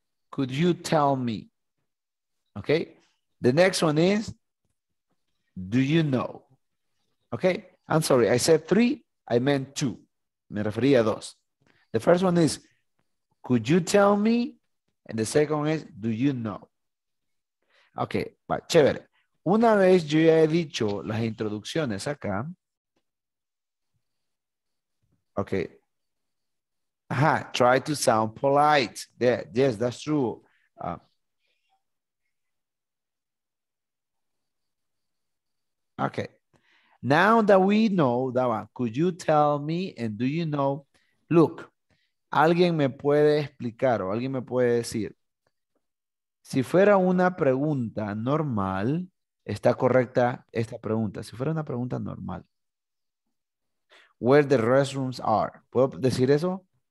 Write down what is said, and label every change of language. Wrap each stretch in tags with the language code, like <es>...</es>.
<en>Could you tell me? Okay. The next one is, do you know? Okay. I'm sorry. I said three. I meant two.</en> <es>Me refería a dos.</es> <en>The first one is, could you tell me? And the second one is, do you know? Okay. But chévere.</en> <es>Una vez yo ya he dicho las introducciones acá.</es> <en>Okay. Ajá, try to sound polite. Yeah, yes, that's true. Okay. Now that we know that one, could you tell me and do you know?</en> <es>Look, alguien me puede explicar o alguien me puede decir. Si fuera una pregunta normal, está correcta esta pregunta. Si fuera una pregunta normal.</es> <en>Where the restrooms are.</en> <es>¿Puedo decir eso?</es>